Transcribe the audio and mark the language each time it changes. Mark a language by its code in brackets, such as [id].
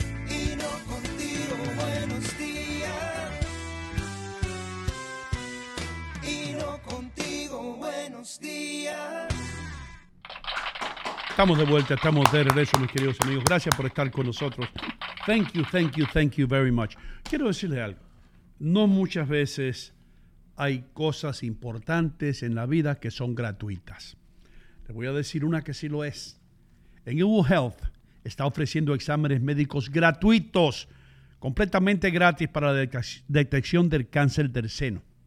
[es] Ino Contigo, buenos días. Ino Contigo, buenos días. Estamos de vuelta, estamos de regreso, mis queridos amigos. Gracias por estar con nosotros. [en] Thank you, thank you, thank you very much. [es] Quiero decirle algo. No muchas veces hay cosas importantes en la vida que son gratuitas. Le voy a decir una que sí lo es. En UU Health está ofreciendo exámenes médicos gratuitos, completamente gratis para la detección del cáncer del seno.